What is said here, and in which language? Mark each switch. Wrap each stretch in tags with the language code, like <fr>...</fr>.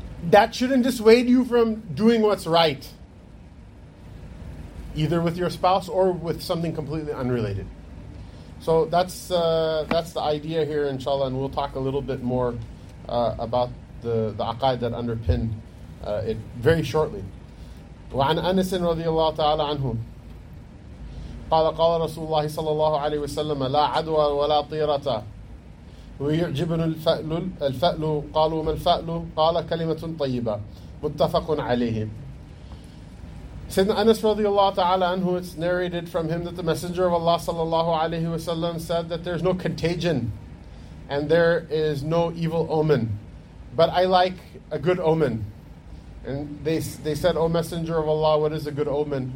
<en>That shouldn't dissuade you from doing what's right, either with your spouse or with something completely unrelated. So that's the idea here, inshallah, and we'll talk a little bit more about the aqaid that underpin it very shortly.</en> <ar>وعن أنس رضي الله تعالى عنه قال قال رسول الله صلى الله عليه وسلم لا عدوى ولا طيرة ويعجبن الفأل قالوا ما الفأل قال كلمة طيبة متفق عليه.</ar> <en>Sayyidina Anas radiallahu ta'ala anhu, it's narrated from him that the Messenger of Allah sallallahu alayhi wa sallam said that there's no contagion and there is no evil omen, but I like a good omen. And they said, O Messenger of Allah, what is a good omen?</en>